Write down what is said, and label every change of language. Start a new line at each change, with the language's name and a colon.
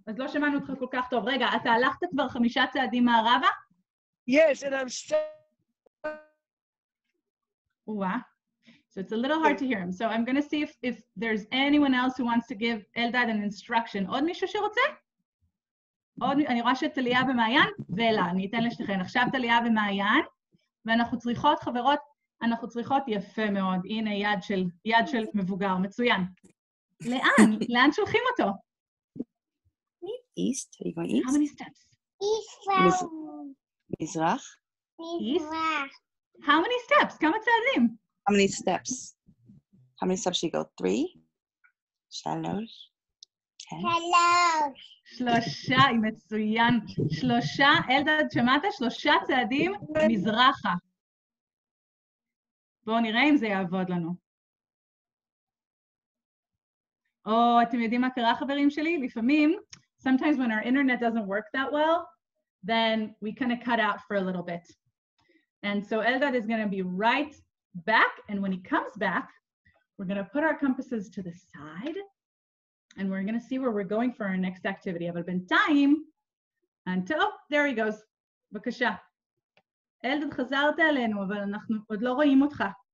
Hebrew: אז לא שמענו אותך כל כך טוב. רגע, אתה הלכת כבר חמישה צעדים מערבה?
English: Yes, and I'm still... Wow. So it's a little hard to hear him. So I'm going to see if there's anyone else who wants to give Eldad an instruction.
Hebrew: עוד מישהו שרוצה? אני רואה שתליה ומעיין, ואלה, אני אתן לשתכן. עכשיו תליה ומעיין, ואנחנו צריכות, חברות, אנחנו צריכות יפה מאוד. הנה יד של מבוגר, מצוין. לאן? לאן שולחים אותו?
English: East, are you going east? How many steps? East.
Hebrew: מזרח? מזרח.
English: How many steps?
Hebrew: כמה צעדים?
English: How many steps? How many steps should you go? 3? 3? 3?
Hebrew: שלוש. שלושה, היא מצוין. שלושה, אלדד, שמעת? שלושה צעדים מזרחה. בואו נראה אם זה יעבוד לנו. או, אתם יודעים מה קרה, חברים שלי? לפעמים,
English: sometimes when our internet doesn't work that well, then we kind of cut out for a little bit. And so Eldad is going to be right back, and when he comes back, we're going to put our compasses to the side, and we're going to see where we're going for our next activity.
Hebrew: אבל בינתיים,
English: oh, there he goes.
Hebrew: בבקשה. אלדד, חזרת אלינו, אבל אנחנו עוד לא רואים אותך.